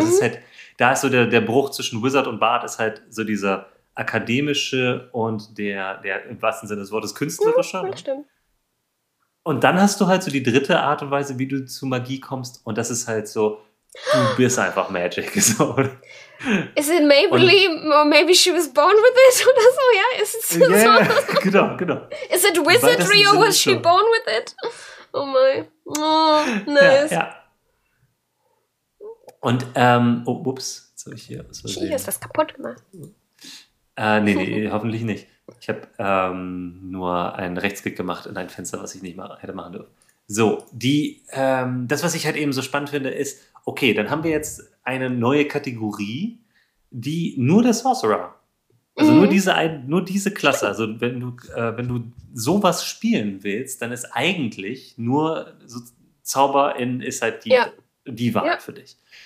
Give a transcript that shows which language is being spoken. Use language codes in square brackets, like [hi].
[de] Also es ist halt, da ist so der Bruch zwischen Wizard und Bard, ist halt so dieser akademische und der im wahrsten Sinne des Wortes künstlerische. Das stimmt. Und dann hast du halt so die dritte Art und Weise, wie du zu Magie kommst, und das ist halt so, du bist einfach Magic. So. [en] Is it Maybelline, or maybe she was born with it oder so? [de] Ja, ist es so? Yeah, genau. [en] Is it Wizardry or was she born with it? Oh my. Oh, nice. Ja. [de] Und, oh, ups, jetzt habe ich hier was versehen. Hier ist was kaputt gemacht. Nee, hoffentlich nicht. Ich habe nur einen Rechtsklick gemacht in ein Fenster, was ich nicht mal hätte machen dürfen. So, das, was ich halt eben so spannend finde, ist, okay, dann haben wir jetzt eine neue Kategorie, die nur der Sorcerer, also nur diese Klasse, also wenn du sowas spielen willst, dann ist eigentlich nur so Zauber ist halt die Wahrheit für dich.